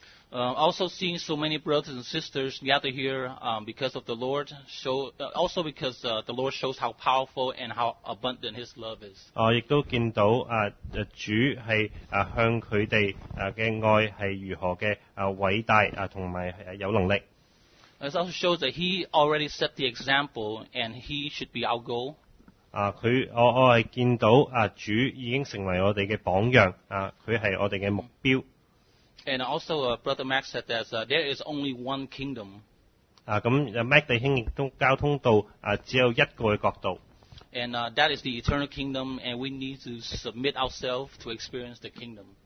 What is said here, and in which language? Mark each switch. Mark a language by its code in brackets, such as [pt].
[en] Also seeing so many brothers and sisters gather here because of the Lord also because the Lord shows how powerful and how abundant His love is. [yue] 亦都見到主係向佢哋嘅愛係如何嘅偉大同埋有能力。 [en] It also shows that He already set the example and He should be our goal. [yue] 我係見到主已經成為我哋嘅榜樣，佢係我哋嘅目標。 [en] And also, Brother Max said that there is only one kingdom. [yue] 咁 Max 弟兄亦都交通到只有一個嘅國度。 [en] And that is the eternal kingdom, and we need to submit ourselves to experience the kingdom.